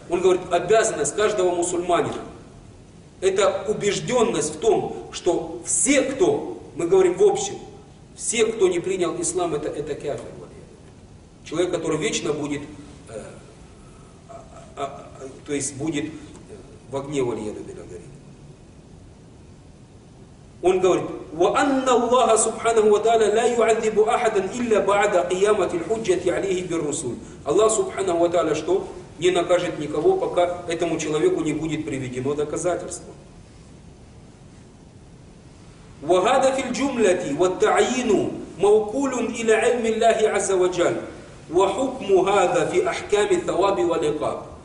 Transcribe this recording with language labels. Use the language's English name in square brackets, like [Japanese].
[Russian] Он говорит, обязанность каждого мусульманина, это убежденность в том, что все, кто, мы говорим в общем, все, кто не принял ислам, это кафир. Человек, который вечно будет, то есть будет в огне вальядубина горит. Он говорит, [Arabic] وَأَنَّ اللَّهَ سُبْحَانَهُ وَتَعَلَى لَا يُعَذِّبُ أَحَدًا إِلَّا بَعَدَ قِيَامَةِ الْحُجَّةِ عَلَيْهِ بِالرُّسُولِ. [Russian] Аллах, субханаху ва тааля, что? Не накажет никого, пока этому человеку не будет приведено доказательство. [Arabic] وَهَذَا فِي الْجُمْلَةِ وَالتَّعْيِينُ مَوْكُولٌ إِلَى عِلْمِ اللَّهِ عَزَّ وَجَلَّ وَحُكْمُ هَذَا فِي أَحْكَامِ الثَّوَابِ وَالْعِقَابِ.